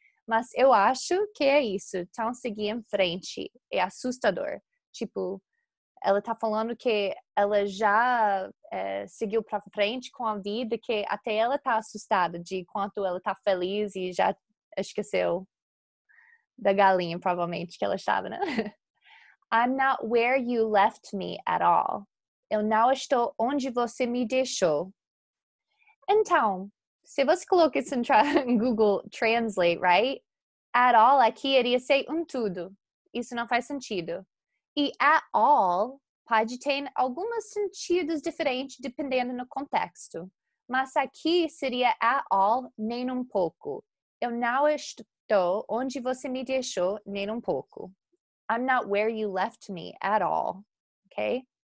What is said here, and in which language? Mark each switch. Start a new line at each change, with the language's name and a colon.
Portuguese: Mas eu acho que é isso, então seguir em frente, é assustador. Tipo, ela tá falando que ela já seguiu para frente com a vida, que até ela tá assustada de quanto ela tá feliz e já esqueceu da galinha, provavelmente, que ela estava, né?
English: I'm not where you left me at all.
Portuguese: Eu não estou onde você me deixou. Então, se você coloca isso em Google Translate, right? At all, aqui iria ser tudo. Isso não faz sentido. E at all pode ter alguns sentidos diferentes dependendo do contexto. Mas aqui seria at all, nem pouco. Eu não estou onde você me deixou, nem pouco.
English: I'm not where you left me at all, okay?